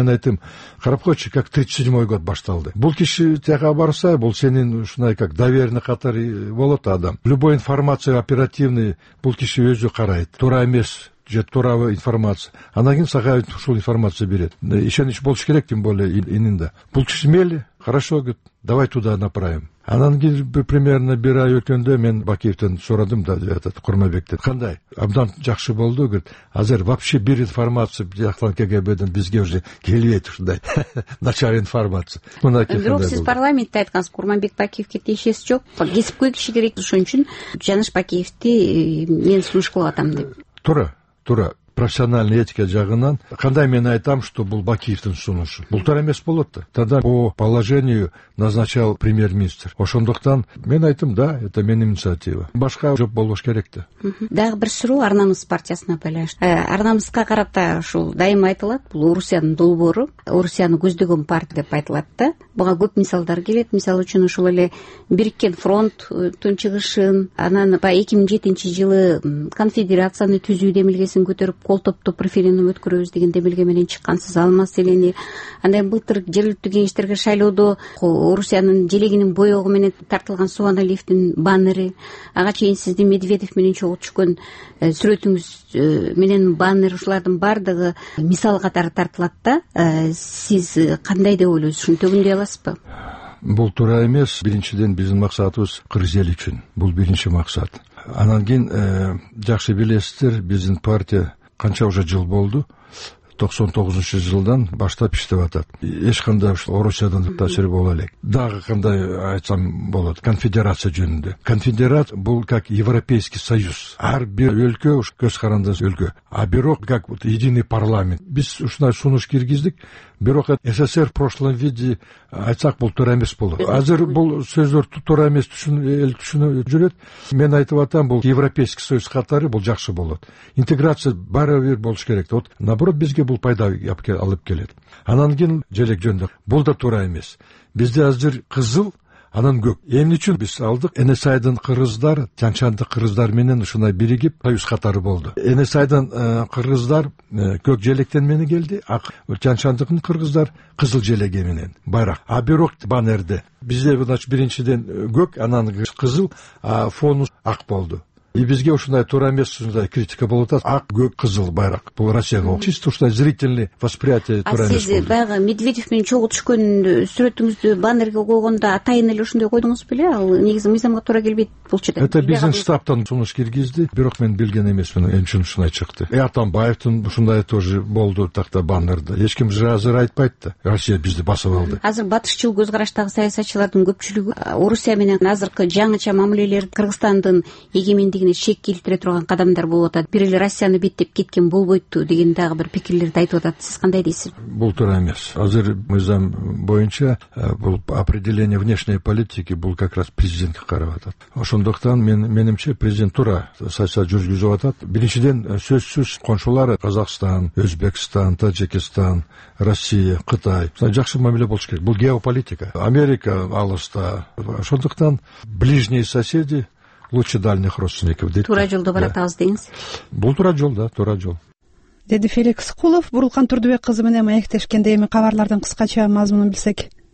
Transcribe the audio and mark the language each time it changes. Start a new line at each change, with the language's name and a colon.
Kyrgyz: Мен айтым, карап койчу, как 37-й год башталды. Бул киши тега барса, бул сенин ушундай
Russian: как доверенный
Kyrgyz: катары болот адам.
Russian: Любой информация оперативный,
Kyrgyz: бул киши өзү карайт. Туура эмес. Же туурабы информация. Анан кийин сага ушул информация берет. Ишенич болуш керек,
Russian: тем более
Kyrgyz: ининде. Бул киши мейли,
Russian: хорошо, говорит, давай туда направим.
Kyrgyz: Анан кийин примерно бир ай өткөндө мен Бакиевден сурадым да, этот Курмабектен. Кандай? Абдан жакшы болду, говорит, азыр вообще бир информация жактан КГБ'ден бизге уже келбейт ушундай. Начар информация. Бирок сиз парламентте айтканыңыз, Курманбек Бакиевке тиешеси жок. Кесип койгуш керек ошон үчүн Жаныш Бакиевти мен сунуш кылып атам деп. Туура. Туура,
Russian: профессиональный этика
Kyrgyz: жагынан кандай мен айтам, что бул Бакиевдин сунушу. Бул туура эмес болот да.
Russian: Тогда по положению назначал премьер-министр.
Kyrgyz: Ошондуктан мен айтым,
Russian: да, это
Kyrgyz: менин инициатива. Башка жооп болбош керек да. Дагы бир суроо арнамыз партиясына байланыштуу. Арнамызга карата ушул дайыма айтылат, бул Орусиянын долбоору, Орусияны көздөгөн партия деп айтылат да. Буга көп мисалдар келет. Мисалы үчүн ушул эле Бириккен фронттун чыгышын, анан баягы 2007 жылы конфедерацияны түзүү демилгесин көтөрүп, кол топтоп референдум өткөрөбүз деген демилге менен чыккансыз Алмаз Элени. Андан былтыр жергиликтүү кеңештерге шайлоодо Орусиянын желегинин боегу менен тартылган Субаналиевдин баннери, ага чейин сизди Медведев менен чогуу түшкөн сүрөтүңүз менен баннер, ушулардын баардыгы мисал катары тартылат да. Сиз кандай деп ойлойсуз? Ушуну төгүндөй аласызбы? Бул туура эмес. Биринчиден биздин максатыбыз кыргыз эли үчүн. Бул биринчи максат. Анан кийин жакшы билесиздер, биздин партия канча уже жыл болду? 99-жу жылдан баштап иштеп атат. Эч кандай Орусиядан таасири боло элек. Дагы кандай айтсам болот, конфедерация жөнүндө. Конфедерат бул
Russian: как Европейский союз.
Kyrgyz: Ар бир өлкө ушу көз каранды өлкө.
Russian: А бирок как вот единый парламент.
Kyrgyz: Биз ушундай сунуш киргиздик, бирок
Russian: СССР в прошлом виде
Kyrgyz: айтсак бул туура эмес болот. Азыр бул сөздөр туура эмес эл түшүнө жүрөт. Мен айтып атам, бул
Russian: Европейский союз
Kyrgyz: катары бул жакшы болот. Интеграция баары бир болуш керек.
Russian: Вот наоборот,
Kyrgyz: бизге бул пайда алып келет. Анан кийин желек жөндө. Бул да туура эмес. Бизде азыр кызыл, анан көк. Эмне үчүн биз алдык? НСАйдын кыргыздар, Тянь-Шандык кыргыздар менен ушундай биригип союз катары болду. НСАйдын кыргыздар көк желектен менен келди, а Тянь-Шандыктын кыргыздар кызыл желеге менен байрак. А бирок баннерде бизде биринчиден көк, анан кызыл, а фону ак болду. И бизге ушундай туура эмес, ушундай критика болот. Ак, көк, кызыл байрак. Бул Россияга чисто ушундай
Russian: зрительный восприятие
Kyrgyz: туура эмес. А сиз баягы Медведев менен чогуу түшкөн сүрөтүңүздү баннерге койгондо атайын эле ушундай койдуңуз беле? Ал негизи мыйзамга туура келбейт болчу да. Это биздин штабтан сунуш киргизди, бирок мен билген эмесмин, эмне үчүн ушундай чыкты. Атамбаевдин ушундай тоже болду так да баннерде. Эч ким азыр айтпайт да. Россия бизди басып алды. Азыр батышчыл көз караштагы саясатчылардын көпчүлүгү Орусия менен азыркы жаңыча мамилелер Кыргызстандын эгемендиги чек келтире турган кадамдар болуп атат. Бир эле Россияны беттеп кеткен болбойтту деген дагы бир пикирлерди айтып атат. Сиз кандай дейсиз? Бул туура эмес. Азыр мыйзам боюнча бул
Russian: определение внешней политики
Kyrgyz: бул
Russian: как раз
Kyrgyz: президентке карап атат. Ошондуктан менимче президент туура саясат жүргүзүп атат. Биринчиден сөзсүз коншулары Казакстан, Өзбекстан, Таджикистан, Россия, Кытай. Жакшы мамиле болуш керек. Бул геополитика. Америка алыста. Ошондуктан
Russian: ближние соседи лучше дальних родственников.
Kyrgyz: Туура жолдо баратабыз деңиз. Бул туура жол, да, туура жол. Деди Феликс Кулов, Бурулкан Турдубек кызы менен маектешкенде эми кабарлардын кыскача мазмунун билсек.